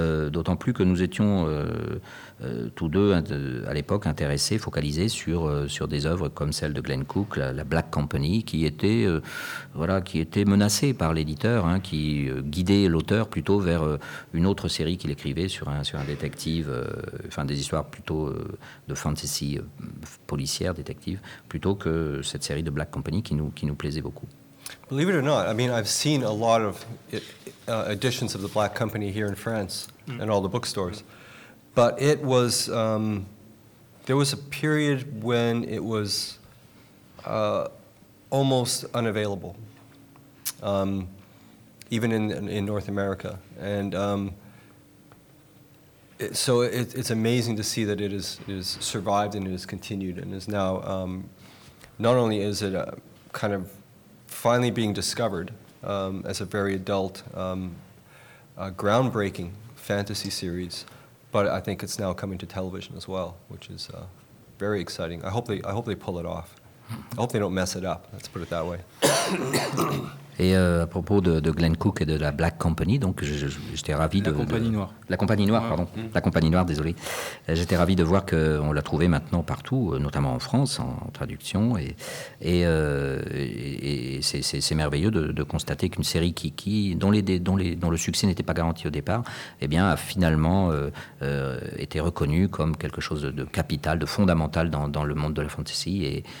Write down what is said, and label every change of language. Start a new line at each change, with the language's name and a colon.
French: D'autant plus que nous étions tous deux, à l'époque, intéressés, focalisés sur des œuvres comme celle de Glenn Cook, la Black Company, qui était menacée par l'éditeur, hein, qui guidait l'auteur plutôt vers une autre série qu'il écrivait sur un détective, des histoires plutôt de fantasy policière, détective, plutôt que cette série de Black Company qui nous plaisait beaucoup.
English: Believe it or not, I mean, I've seen a lot of editions of the Black Company here in France and all the bookstores. But it was, there was a period when it was almost unavailable, even in North America. And it's amazing to see that it has survived and it has continued and is now, not only is it a kind of finally being discovered as a very adult, groundbreaking fantasy series, but I think it's now coming to television as well, which is very exciting. I hope they pull it off. I hope they don't mess it up. Let's put it that way.
French: Et à propos de Glenn Cook et de la Black Company, donc j'étais ravi la de compagnie noire. La compagnie noire, pardon. Mmh. La compagnie noire, désolé. J'étais ravi de voir qu'on l'a trouvé maintenant partout, notamment en France, en traduction. Et c'est merveilleux de constater qu'une série dont le succès n'était pas garanti au départ, eh bien, a finalement été reconnue comme quelque chose de capital, de fondamental dans le monde de la fantasy.